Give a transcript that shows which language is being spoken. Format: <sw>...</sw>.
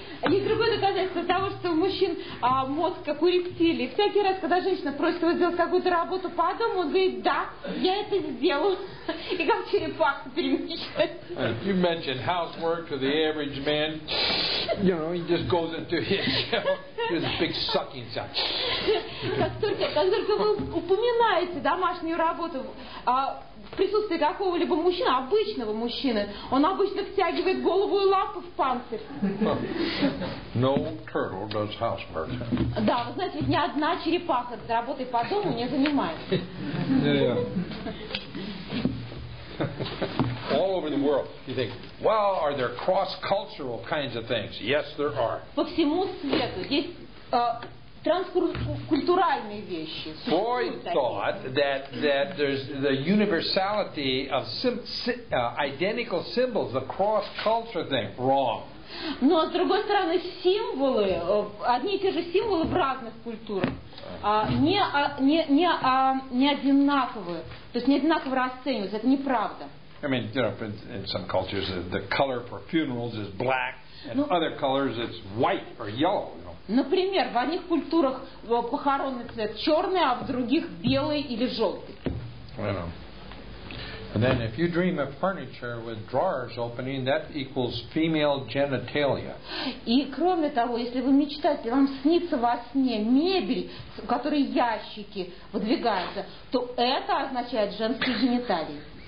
<ru>Есть другое доказательство того, что у мужчин мозг как у рептилии. Всякий раз, когда женщина просит его сделать какую-то работу по дому, он говорит, да, я это сделаю. И как черепаха перемещается.</ru> <en>You mentioned housework to the average man. You know, he just goes into his shell. There's a big sucking sound.</en> <ru>Как только вы упоминаете домашнюю работу, в присутствии какого-либо мужчины, обычного мужчины, он обычно втягивает голову и лапы в панцирь.</ru> <en>No turtle does housework.</en> <ru>Да, вы знаете, ведь ни одна черепаха с работой по дому не занимается.</ru> <en>All over the world, you think, well, are there cross-cultural kinds of things? Yes, there are.</en> <ru>По всему свету есть транскультуральные вещи.</ru> <en>Freud thought that there's the universality of identical symbols, the cross-culture thing, wrong.</en> <ru>Но с другой стороны, символы, одни и те же символы в разных культурах, не одинаковые, то есть не одинаково расцениваются, это неправда.</ru> <en>I mean, you know, in some cultures, the color for funerals is black, and other colors it's white or yellow.</en> <ru>Например, в одних культурах похоронный цвет черный, а в других белый или желтый.</ru> <en>And then if you dream of furniture with drawers opening, that equals female genitalia.</en> <ru>И кроме того, если вы мечтаете, вам снится во сне мебель, в которой ящики выдвигаются, то это означает женские гениталии.</ru>